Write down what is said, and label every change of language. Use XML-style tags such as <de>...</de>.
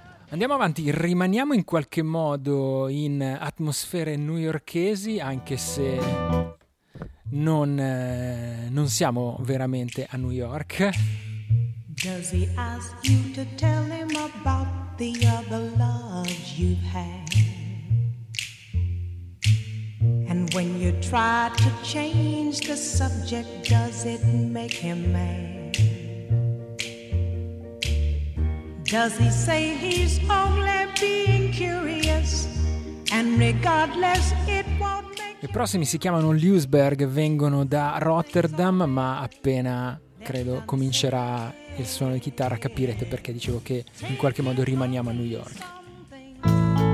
<it>Andiamo avanti, rimaniamo in qualche modo in atmosfere newyorkesi, anche se non siamo veramente a New York.</it> <en>Does he ask you to tell him about the other love you've had? And when you try to change the subject, does it make him mad? Does he say he's only being curious and regardless it won't.</en> <it>I prossimi si chiamano Lewisberg, vengono da Rotterdam, ma appena credo comincerà il suono di chitarra capirete perché dicevo che in qualche modo rimaniamo a New York.</it>